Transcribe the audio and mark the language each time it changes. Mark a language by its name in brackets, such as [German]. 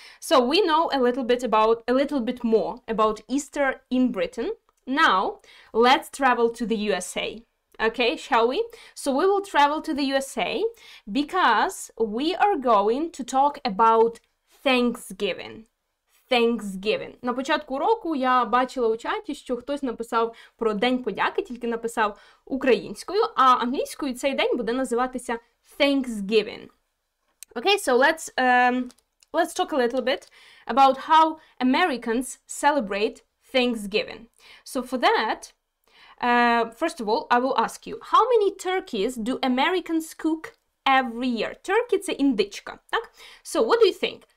[English] So we know a little bit more about Easter in Britain. Now, let's travel to the USA. Okay, shall we? So we will travel to the USA because we are going to talk about Thanksgiving. Thanksgiving. [Ukrainian] На початку року я бачила у чаті, що хтось написав про День подяки, тільки написав українською, а англійською цей день буде називатися Thanksgiving. [English] Okay, so let's talk a little bit about how Americans celebrate Thanksgiving. So for that, first of all, I will ask you, how many turkeys do Americans cook every year? Turkey – [Ukrainian] це індичка, так? [English] So what do you think?